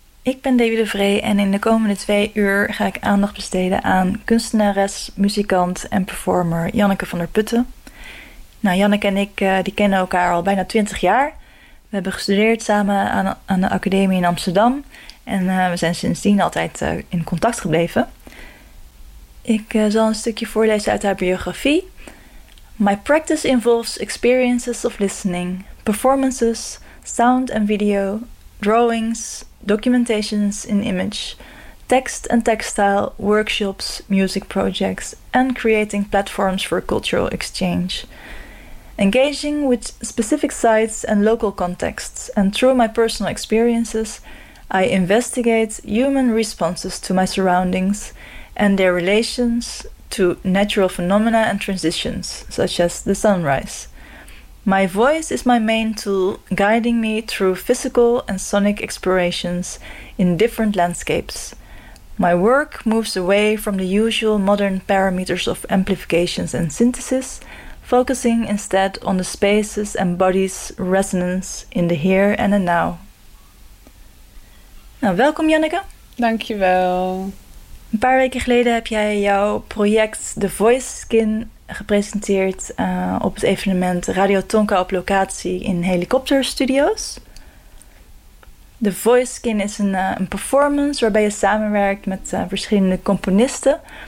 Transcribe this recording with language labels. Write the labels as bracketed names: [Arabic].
[Dutch] Ik ben Davy de Vree en in de komende 2 uur ga ik aandacht besteden aan kunstenares, muzikant en performer Janneke van der Putten. Nou, Janneke en ik die kennen elkaar al bijna 20 jaar. We hebben gestudeerd samen aan de academie in Amsterdam en we zijn sindsdien altijd in contact gebleven. Ik zal een stukje voorlezen uit haar biografie. [English] My practice involves experiences of listening, performances, sound and video, drawings, documentations in image, text and textile, workshops, music projects, and creating platforms for cultural exchange. Engaging with specific sites and local contexts, and through my personal experiences, I investigate human responses to my surroundings and their relations to natural phenomena and transitions, such as the sunrise. My voice is my main tool, guiding me through physical and sonic explorations in different landscapes. My work moves away from the usual modern parameters of amplifications and synthesis, focusing instead on the spaces and bodies' resonance in the here and the now. [Dutch] Nou, welkom Janneke. Dankjewel. Een paar weken geleden heb jij jouw project The Voice Skin gepresenteerd op het evenement Radio Tonka op locatie in Helikopter Studios. The Voice Skin is een performance waarbij je samenwerkt met verschillende componisten.